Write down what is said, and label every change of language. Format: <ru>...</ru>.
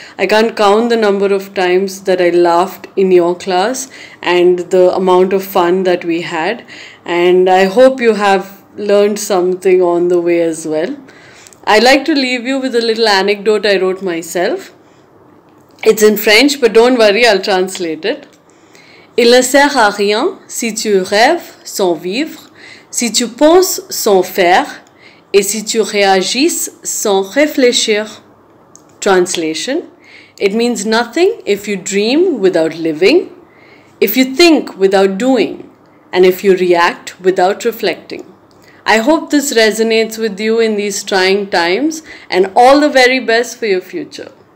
<en>I can't count the number of times that I laughed in your class and the amount of fun that we had. And I hope you have learned something on the way as well. I like to leave you with a little anecdote I wrote myself. It's in French, but don't worry, I'll translate it.</en> <fr>Il ne sert à rien si tu rêves sans vivre, si tu penses sans faire, et si tu réagis sans réfléchir.</fr> <en>Translation: it means nothing if you dream without living, if you think without doing, and if you react without reflecting. I hope this resonates with you in these trying times, and all the very best for your future.</en>